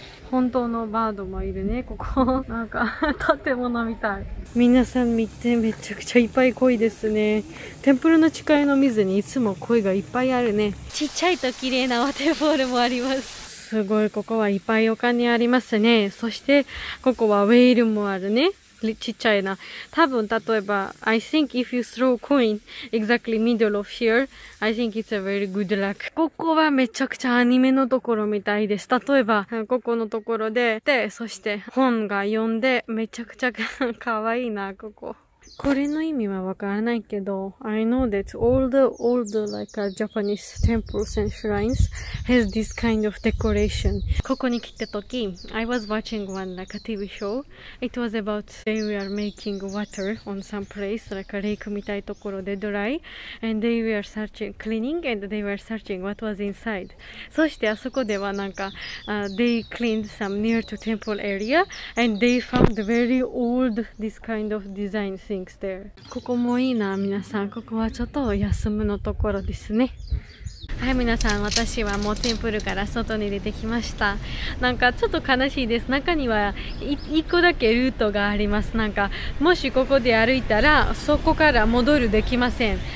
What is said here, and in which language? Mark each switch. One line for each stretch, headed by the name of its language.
Japanese: 本当のバードもいるね、ここ。なんか建物みたい。皆さん見て、めちゃくちゃいっぱい鯉ですね。テンプルの誓いの水にいつも鯉がいっぱいあるね。ちっちゃいと綺麗なワテフォールもあります。すごい、ここはいっぱいお金ありますね。そして、ここはウェイルもあるね。ちっちゃいな。多分、例えば、
English: I think if you throw coin exactly middle of here, I think it's a very good luck.
Japanese: ここはめちゃくちゃアニメのところみたいです。例えば、ここのところで、で、そして本が読んで、めちゃくちゃ可愛いな、ここ。これの意味はわからないけど、
English: I know that all the like a Japanese temples and shrines has this kind of decoration.
Japanese: ここに来た時、
English: I was watching one like a TV show. It was about they were making water on some place, like a lake
Japanese: みたいところで
English: dry. And they were searching, cleaning, and they were searching what was inside.
Japanese: そしてあそこではなんか、
English: they cleaned some near to temple area, and they found very old this kind of design thing. There.
Japanese: ここもいいな皆さん、ここはちょっと休むのところですね。はい皆さん、私はもうテンプルから外に出てきました。なんかちょっと悲しいです。中には1個だけルートがあります。なんかもしここで歩いたらそこから戻るできません。